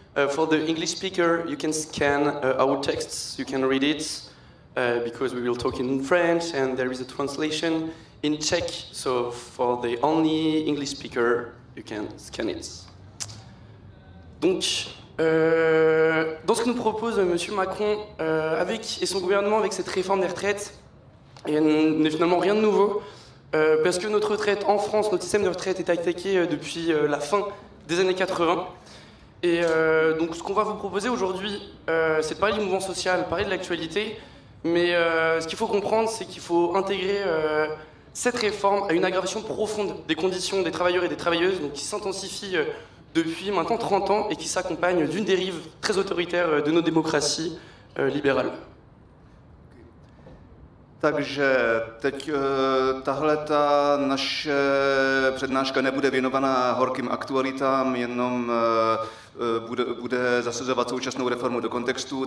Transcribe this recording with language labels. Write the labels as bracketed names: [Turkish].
[English] For the English speaker, you can scan our texts, you can read it, because we will talk in French and there is a translation in Czech. So for the only English speaker, you can scan it. [French] Donc, dans ce que nous propose Monsieur Macron avec et son gouvernement avec cette réforme des retraites, il n'est finalement rien de nouveau, parce que notre retraite en France, notre système de retraite est attaqué depuis la fin des années 80. Et donc ce qu'on va vous proposer aujourd'hui, c'est de parler du mouvement social, de parler de l'actualité, mais ce qu'il faut comprendre, c'est qu'il faut intégrer cette réforme à une aggravation profonde des conditions des travailleurs et des travailleuses, donc qui s'intensifie depuis maintenant 30 ans et qui s'accompagne d'une dérive très autoritaire de nos démocraties libérales. [Czech] Takže teď tahle ta naše přednáška nebude věnovaná horkým aktualitám, jenom bude zasazovat současnou reformu do kontextu.